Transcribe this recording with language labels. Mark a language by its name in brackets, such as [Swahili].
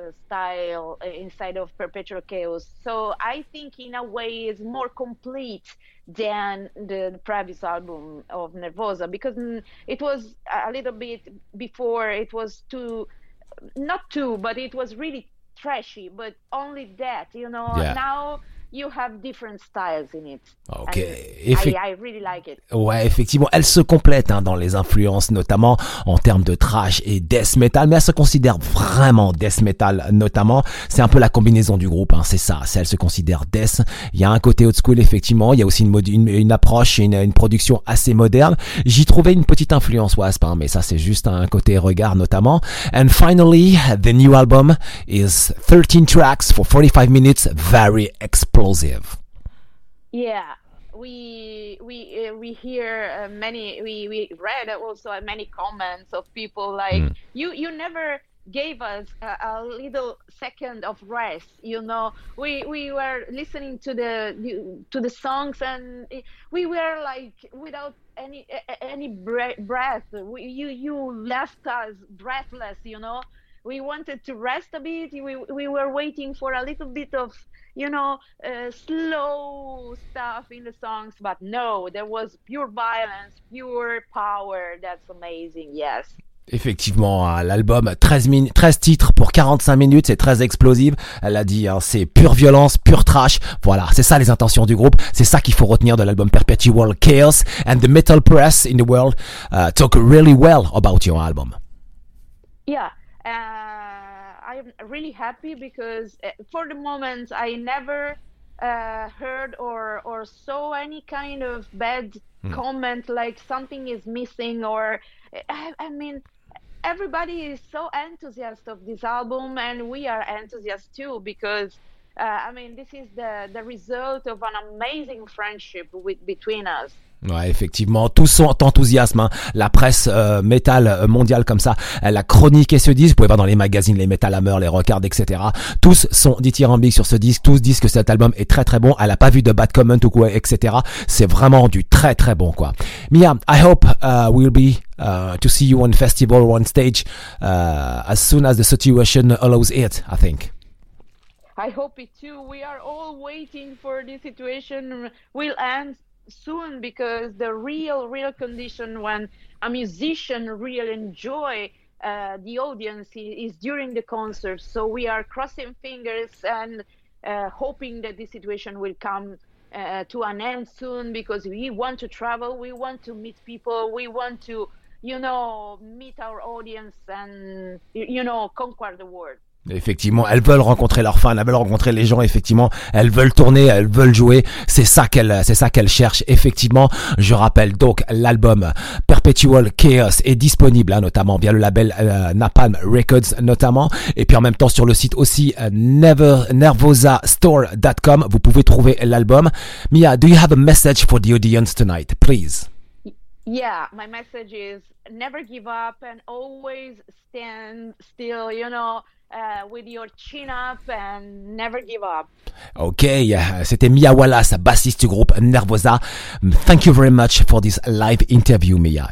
[English] style inside of Perpetual Chaos, so I think in a way is more complete than the previous album of Nervosa because it was a little bit before, it was it was really trashy, but only that, you know. Yeah. Now you have different styles in it. Okay. I really like it. [French] Ouais, effectivement, elle se complète, hein, dans les influences, notamment en termes de thrash et death metal, mais elle se considère vraiment death metal, notamment. C'est un peu la combinaison du groupe, hein, c'est ça. Elle se considère death. Il y a un côté old school, effectivement. Il y a aussi une approche, une production assez moderne. J'y trouvais une petite influence Wasp, hein, mais ça, c'est juste un côté regard, notamment. [English] And finally, the new album is 13 tracks for 45 minutes, very explosive. Yeah, we read also many comments of people like you never gave us a little second of rest, you know. We were listening to the songs and we were like without any breath. You left us breathless, you know. We wanted to rest a bit. We were waiting for a little bit of, you know, slow stuff in the songs, but no, there was pure violence, pure power. That's amazing. Yes. [French] Effectivement, l'album 13 titres pour 45 minutes, c'est très explosif. Elle a dit, hein, c'est [English] pure violence, pure trash. [French] Voilà, c'est ça les intentions du groupe. C'est ça qu'il faut retenir de l'album Perpetual Chaos. [English] And the metal press in the world talk really well about your album. Yeah. I'm really happy because for the moment I never heard or saw any kind of bad comment like something is missing or I mean everybody is so enthusiastic of this album and we are enthusiastic too because I mean this is the result of an amazing friendship between us. [French] Ouais, effectivement, tout son enthousiasme, hein. La presse métal mondiale comme ça, elle a chroniqué ce disque, vous pouvez voir dans les magazines, les Metal Hammer, les Rockard, etc. Tous sont dithyrambiques sur ce disque, tous disent que cet album est très très bon, elle a pas vu de [English] bad comment [French] ou quoi, etc. C'est vraiment du très très bon, quoi. [English] Mia, I hope we'll be to see you on festival, on stage, as soon as the situation allows it, I think. I hope it too. We are all waiting for this situation will end soon because the real condition when a musician really enjoy the audience is during the concert, so we are crossing fingers and hoping that this situation will come to an end soon, because we want to travel, we want to meet people, we want to, you know, meet our audience and, you know, conquer the world. [French] Effectivement, elles veulent rencontrer leurs fans, elles veulent rencontrer les gens, effectivement, elles veulent tourner, elles veulent jouer, c'est ça qu'elles cherchent, effectivement. Je rappelle donc, l'album Perpetual Chaos est disponible, hein, notamment via le label Napalm Records, notamment, et puis en même temps sur le site aussi nervosastore.com, vous pouvez trouver l'album. [English] Mia, do you have a message for the audience tonight, please? Yeah, my message is never give up and always stand still, you know, with your chin up and never give up. [French] Ok, c'était Mia Wallace, bassiste du groupe Nervosa. [English] Thank you very much for this live interview, Mia.